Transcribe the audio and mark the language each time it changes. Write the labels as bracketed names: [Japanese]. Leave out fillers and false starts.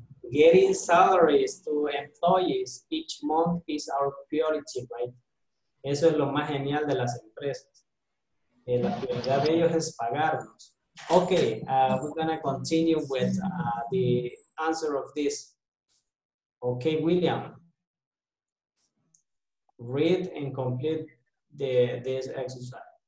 [English] Getting salaries to employees each month is our priority, right? [Spanish] Eso es lo más genial de las empresas. La prioridad de ellos es pagarnos. [English] Okay, we're gonna continue with the answer of this. Okay, William. Read and complete this exercise.